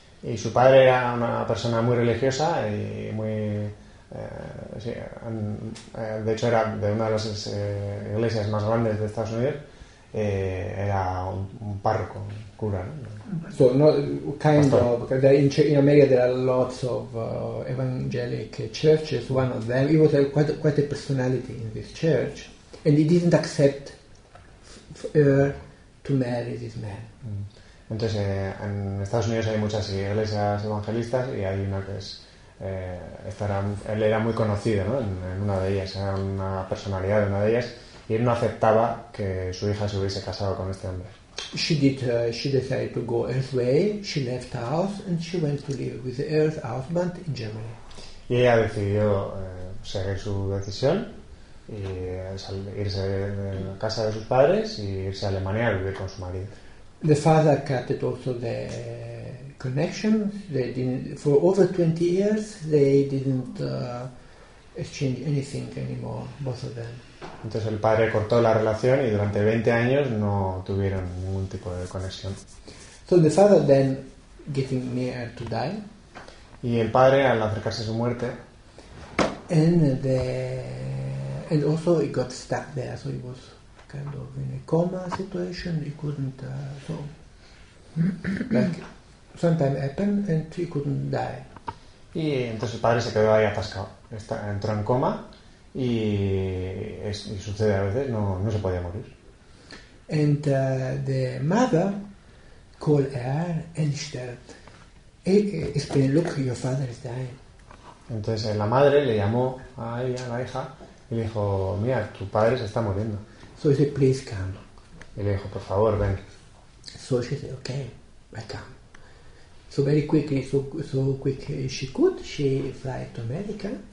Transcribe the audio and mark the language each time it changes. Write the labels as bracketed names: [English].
[Spanish] Y su padre era una persona muy religiosa y muy de hecho era de una de las iglesias más grandes de Estados Unidos, era un párroco, un cura, ¿no? [English] So not kind pastor. Of because in America there are lots of evangelic churches. One of them, he was quite a personality in this church, and he didn't accept her to marry this man. [Spanish] Entonces en Estados Unidos hay muchas iglesias evangelistas y hay una que es él era muy conocido, ¿no? En una de ellas, era una personalidad de una de ellas, y él no aceptaba que su hija se hubiese casado con este hombre. [English] She did. She decided to go her way. She left the house and she went to live with her husband in Germany. [Spanish] Y ella decidió seguir su decisión y irse de la casa de sus padres y irse a Alemania a vivir con su marido. [English] The father cut it also the connection. They didn't, for over 20 years they didn't exchange anything anymore, both of them. [Spanish] Entonces el padre cortó la relación y durante 20 años no tuvieron ningún tipo de conexión. [English] So the father then getting near to die. [Spanish] Y el padre al acercarse a su muerte. [English] And also he got stuck there, so he was kind of in a coma situation. He couldn't so like sometimes happen and he couldn't die. [Spanish] Y entonces el padre se quedó ahí atascado. Entró en coma y sucede a veces, no se podía morir. [English] And the mother called her and said, explain, look, your father is dying. [Spanish] Entonces la madre le llamó a ella, a la hija, y le dijo, mira, tu padre se está muriendo. [English] So he said, please come. [Spanish] Y le dijo, por favor, ven. [English] So she said, okay, I come. So very quickly, so quick she could, she fly to America.